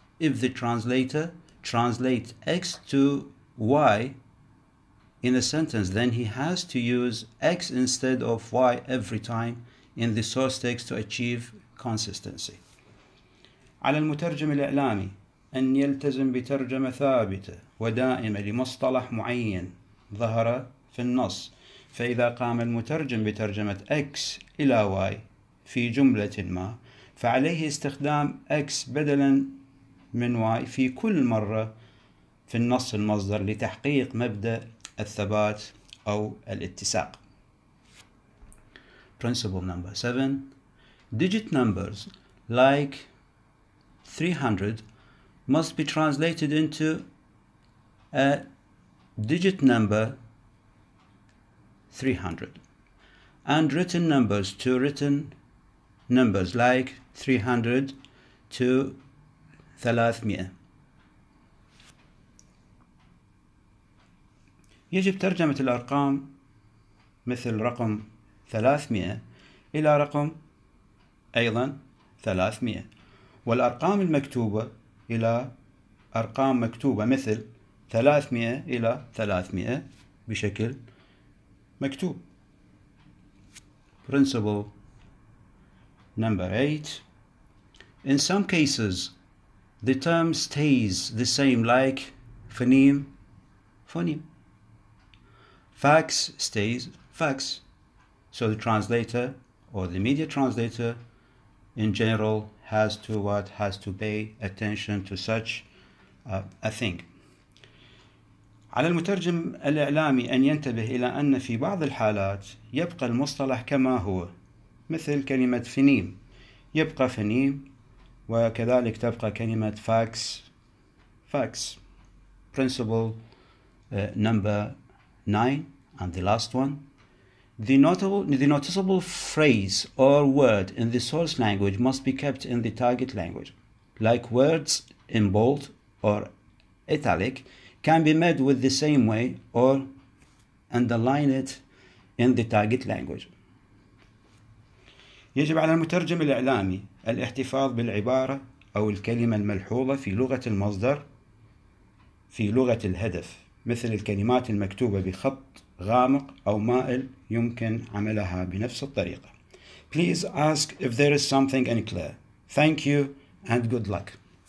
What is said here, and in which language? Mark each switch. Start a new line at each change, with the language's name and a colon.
English: If the translator translates X to Y in a sentence, then he has to use X instead of Y every time in the source text to achieve consistency.
Arabic: على المترجم الإعلامي أن يلتزم بترجمة ثابتة ودائمة لمصطلح معين ظهر في النص. فإذا قام المترجم بترجمة X إلى Y في جملة ما، فعليه استخدام X بدلا من Y في كل مرة في النص المصدر لتحقيق مبدأ الثبات أو الاتساق.
English: Principle number 7. Digit numbers like 300 must be translated into a digit number 300, and written numbers to written numbers like 300 to 300.
Arabic: يجب ترجمة الأرقام مثل رقم 300 إلى رقم أيضا 300، والأرقام المكتوبة إلى أرقام مكتوبة مثل 300 إلى 300 بشكل مكتوب.
English: Principle number 8. In some cases, the term stays the same, like phoneme, phoneme. Fax stays fax. So the translator or the media translator in general has to what? Has to pay attention to such a thing.
Arabic: على المترجم الإعلامي أن ينتبه إلى أن في بعض الحالات يبقى المصطلح كما هو، مثل كلمة فنيم يبقى فنيم، وكذلك تبقى كلمة فاكس فاكس.
English: Principle number 9 and the last one. The noticeable phrase or word in the source language must be kept in the target language. Like words in bold or italic can be made with the same way or underline it in the target language.
Arabic: يجب على المترجم الإعلامي الاحتفاظ بالعبارة أو الكلمة الملحوظة في لغة المصدر في لغة الهدف، مثل الكلمات المكتوبة بخط غامق أو مائل يمكن عملها بنفس الطريقة.
English: Please ask if there is something unclear. Thank you and good luck.